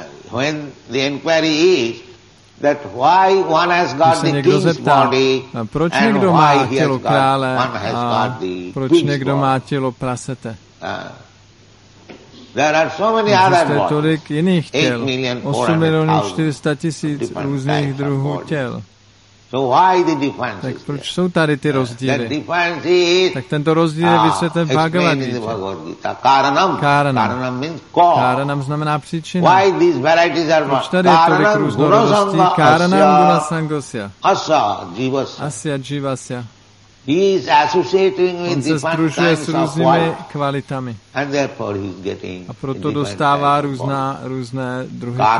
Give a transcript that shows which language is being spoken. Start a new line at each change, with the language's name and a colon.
English: When the inquiry is that why one has got the king's body and why
Czech: proč někdo má tělo krále a proč někdo má tělo prasete.
English: There are so many other
Czech: tolik jiných těl, 8 400 000 různých druhů těl.
English: So why the difference?
Czech: Tak proč jsou tady ty rozdíly?
English: The difference is,
Czech: tak tento rozdíl je vysvětlen v Bhagavad Gita.
English: Karanam means cause.
Czech: Karanam znamená příčina.
English: Why these varieties are
Czech: proč tady je tolik různorodostí?
Sanskrit: Karanam guna sangosya. Asya jivasya. Asya jivasya.
English: He is associating with the different
Czech: kvalitami.
English: And therefore he is getting.
Czech: A proto dostává různé druhy.